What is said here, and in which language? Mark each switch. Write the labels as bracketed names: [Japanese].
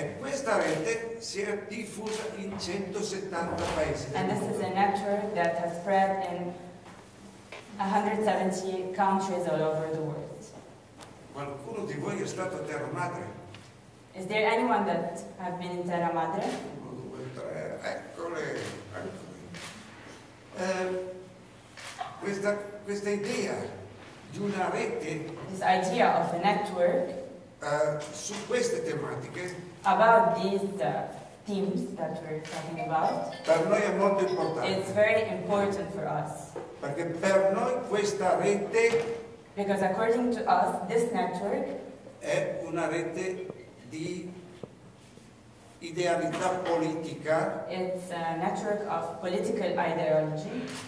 [Italian] E questa rete si è diffusa in 170 paesi. [English] And this is a network that has spread in 170 countries all over the world. [Italian] Qualcuno di voi è stato a Terra Madre? [English] Is there anyone that have been in Terra Madre? [Italian] Uno, due, tre, eccole, eccole. Questa idea di una rete, [English] this idea of a network, [Italian] su queste tematiche, [English] about these themes that we're talking about, [Italian] per noi è molto importante. [English] It's very important for us. [Italian] Perché per noi questa rete, [English] because according to us, this network [Italian] è una rete di idealità politica. [English] It's a network of political ideology.